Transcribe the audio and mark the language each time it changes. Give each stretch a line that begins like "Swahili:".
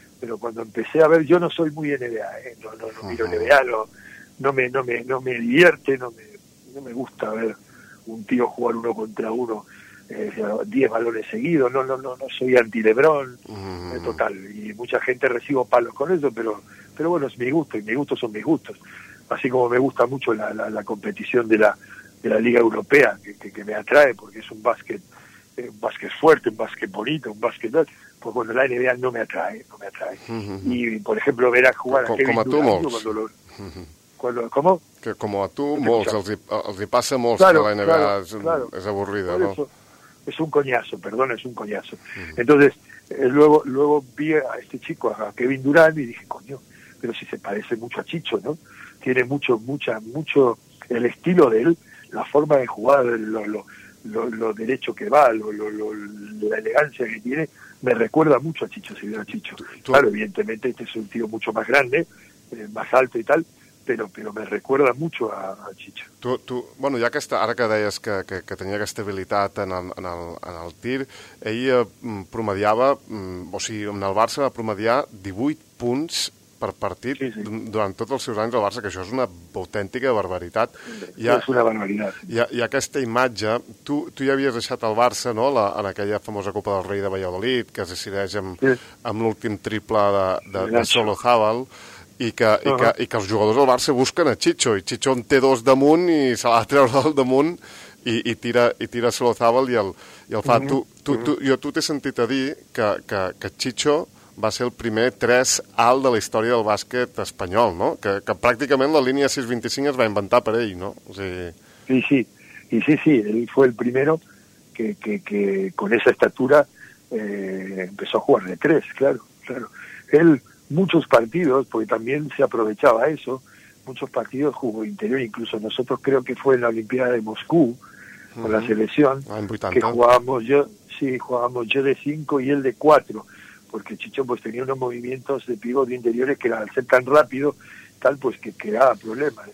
Spanish: Pero cuando empecé a ver, yo no soy muy NBA, no miro NBA, no me divierte, no me gusta ver un tío jugar uno contra uno, 10 balones seguidos, no soy anti LeBron, total, y mucha gente recibo palos con eso, pero bueno, es mi gusto, y mis gustos son mis gustos, así como me gusta mucho la competición de la Liga Europea, que me atrae, porque es un básquet fuerte, un básquet bonito, un básquet tal. Pues bueno, la NBA no me atrae. Uh-huh. Y, por ejemplo, ver a jugar como a
Catalan: tu, molts.
Spanish: ¿Cómo? Que como
Catalan: a tu, molts. Els hi passa molts, claro, que la NBA és avorrida, ¿no?
Spanish: Es un coñazo, perdón, es un coñazo. Uh-huh. Entonces, luego vi a este chico, a Kevin Durant, y dije, coño, pero si se parece mucho a Chicho, ¿no? Tiene mucho el estilo de él, la forma de jugar, lo derecho que va, la elegancia que tiene, me recuerda mucho a Chicho, si veo a Chicho. Claro, evidentemente este es un tío mucho más grande, más alto y tal, pero me recuerda mucho a Chicho.
Catalan: Tu, bueno, ja aquesta, ara que deies que tenia aquesta habilitat en el tir, ell promediava, o sigui, en el Barça va promediar 18 punts per partit, sí, sí, durant tots els seus anys al Barça, que això és una autèntica barbaritat. És una barbaritat. I aquesta imatge, tu ja havies deixat el Barça, no?, en aquella famosa Copa del Rei de Valladolid, que es decideix amb l'últim triple de Solozábal, i que els jugadors del Barça busquen a Chicho, i Chicho en té dos damunt i se l'ha de treure del damunt i tira Solozábal i el fa. Tu t'he sentit a dir que Chicho va ser el primer 3 alt de la història del bàsquet espanyol, no? Que pràcticament la línia 6-25 es va inventar per ell, no? O sigui...
Spanish: Sí,
Catalan: ell
Spanish: fue el primero que con esa estatura empezó a jugar de 3, claro. Él, muchos partidos, porque también se aprovechaba eso, muchos partidos jugó interior, incluso nosotros creo que fue en la Olimpiada de Moscú, con la selección, que jugábamos yo de 5 y él de 4, porque Chicho pues tenía unos movimientos de pívot de interiores que al ser tan rápido, tal, pues que creaba problemas.